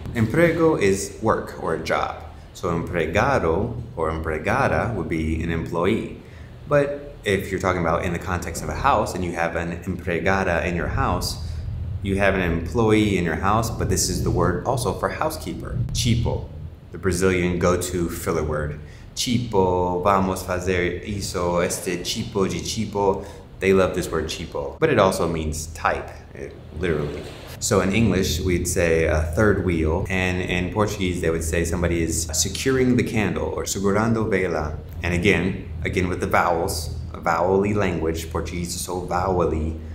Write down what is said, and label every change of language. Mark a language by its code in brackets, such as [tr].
[en] Emprego is work or a job. So empregado or empregada would be an employee. But if you're talking about in the context of a house and you have an empregada in your house, you have an employee in your house, but this is the word also for housekeeper. Chipo, the Brazilian go-to filler word. [pt] Chipo, vamos fazer isso, este chipo de chipo. [en] They love this word chipo, but it also means type, literally. So in English, we'd say a third wheel, and in Portuguese, they would say somebody is securing the candle or [pt] segurando vela. [en] And again with the vowels, vowel-y language, Portuguese is so vowel-y.